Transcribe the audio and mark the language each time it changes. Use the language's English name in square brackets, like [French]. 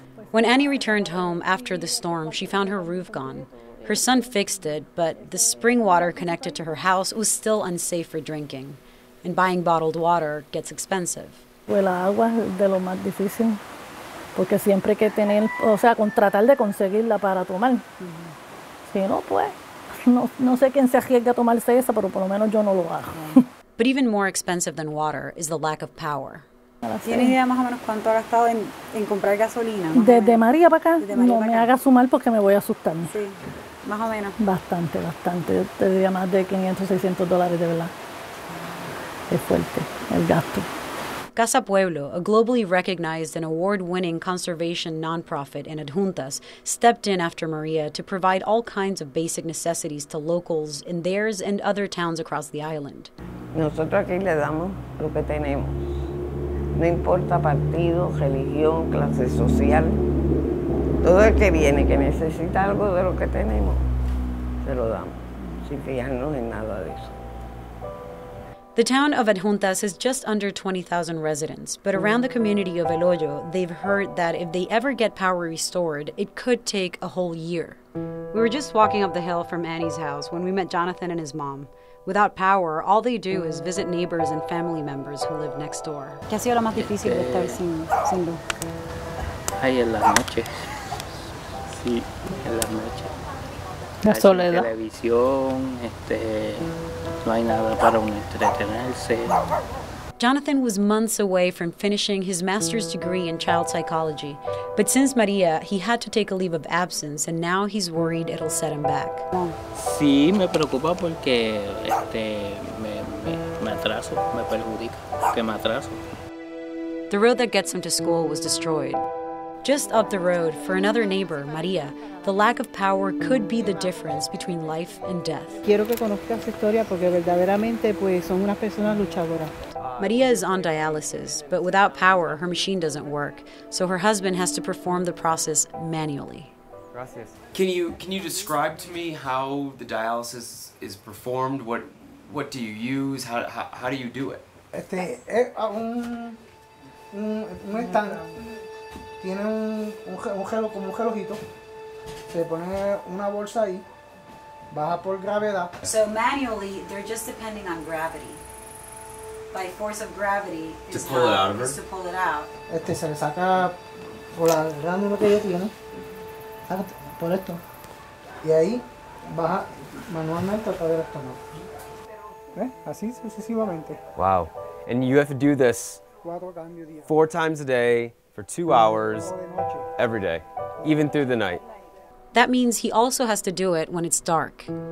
[English] When Annie returned home after the storm, she found her roof gone. Her son fixed it, but the spring water connected to her house was still unsafe for drinking. And buying bottled water gets expensive. [Spanish] Pues la agua es de lo más difícil, porque siempre hay que tener, o sea, con tratar de conseguirla para tomar. Si no, pues, no sé quién se arriesga a tomarse esa, pero por lo menos yo no lo hago. [English] But even more expensive than water is the lack of power. [Spanish] ¿Tienes idea más o menos cuánto ha gastado en comprar gasolina? Desde María para acá, no me haga sumar porque me voy a asustar. Sí, más o menos. Bastante, bastante. Yo te diría más de $500-$600, de verdad. Es fuerte el gasto. [English] Casa Pueblo, a globally recognized and award-winning conservation nonprofit in Adjuntas, stepped in after Maria to provide all kinds of basic necessities to locals in theirs and other towns across the island. [Spanish] Nosotros aquí le damos lo que tenemos. No importa partido, religión, clase social. Todo el que viene que necesita algo de lo que tenemos, se lo damos, sin fijarnos en nada de eso. [English] The town of Adjuntas has just under 20,000 residents, but around the community of El Hoyo, they've heard that if they ever get power restored, it could take a whole year. We were just walking up the hill from Annie's house when we met Jonathan and his mom. Without power, all they do is visit neighbors and family members who live next door. [Spanish] ¿Qué ha sido lo más difícil de estar sin luz? Ay, en las noches. Sí, en las noches. La soledad. Hay televisión, No hay nada para un entretenerse. [English] Jonathan was months away from finishing his master's degree in child psychology. But since Maria, he had to take a leave of absence, and now he's worried it'll set him back. [Spanish] Sí, me preocupa porque me atraso, me perjudica, que me atraso. [English] The road that gets him to school was destroyed. Just up the road, for another neighbor, Maria, the lack of power could be the difference between life and death. [Spanish] Quiero que conozcas esta historia porque verdaderamente pues son unas personas luchadoras. [English] Maria is on dialysis, but without power, her machine doesn't work, so her husband has to perform the process manually. [Spanish] Gracias. [English] Can you describe to me how the dialysis is performed? What do you use? How do you do it? [Spanish] Tiene un gelo como un gelojito. Se pone una bolsa ahí. Baja por gravedad. [English] So manually, they're just depending on gravity. By force of gravity, to pull it out of her. To pull it out. [Spanish] Se le saca por la ránula que ella tiene. Por esto. Y ahí baja manualmente a través del estómago. ¿Eh? Así sucesivamente. [English] Wow. And you have to do this 4 times a day. For 2 hours, every day, even through the night. That means he also has to do it when it's dark.